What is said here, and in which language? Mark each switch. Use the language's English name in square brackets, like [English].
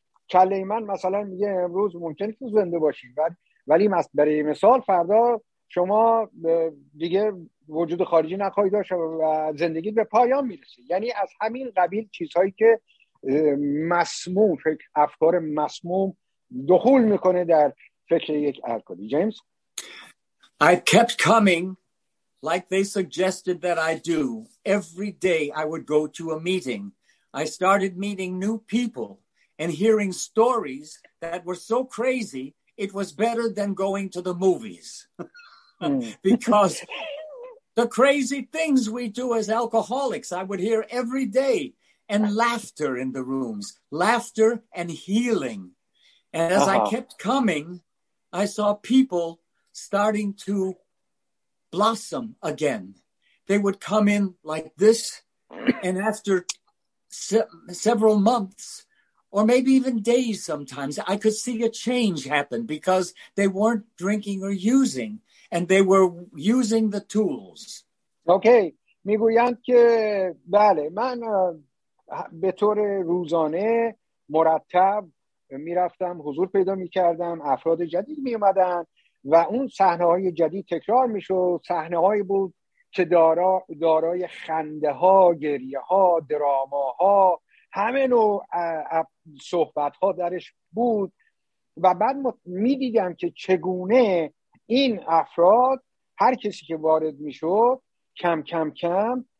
[Persian] کله من مثلا میگه امروز ممکنه که زنده باشید، ولی برای مثال فردا شما دیگه وجود خارجی نخواهی داشت و زندگی به پایان میرسه. یعنی از همین قبیل چیزهایی که مسموم، افکار مسموم دخول میکنه در فکر یک الکلی. جیمز: [English] I kept coming like they suggested that I do. Every day I would go to a meeting. I started meeting new people and hearing stories that were so crazy, it was better than going to the movies. Because the crazy things we do as alcoholics, I would hear every day, and laughter in the rooms, laughter and healing. And as I kept coming, I saw people starting to blossom again. They would come in like this, and after several months, or maybe even days sometimes, I could see a change happen because they weren't drinking or using, and they were using the tools. [Persian] Okay, میگویند که بله، من به طور روزانه مرتب میرفتم، حضور پیدا میکردم، افراد جدید میومدن و اون صحنه های جدید تکرار میشد. صحنه هایی بود که دارای خنده ها، گریه ها، دراما ها، همه نوع صحبت ها درش بود و بعد می دیدم که چگونه این افراد، هر کسی که وارد می شد، کم کم کم